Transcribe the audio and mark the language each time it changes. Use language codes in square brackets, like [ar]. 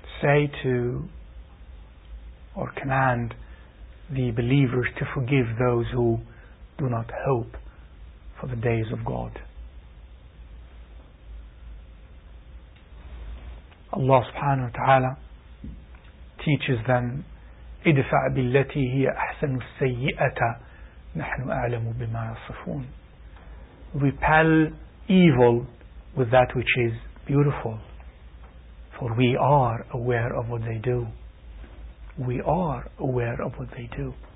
[en] Say to or command the believers to forgive those who do not hope for the days of God. Allah subhanahu wa ta'ala teaches them, [ar] ادفع بالتي هي أحسن السيئة نحن أعلم بما يصفون. [en] Repel evil with that which is beautiful, for we are aware of what they do. We are aware of what they do.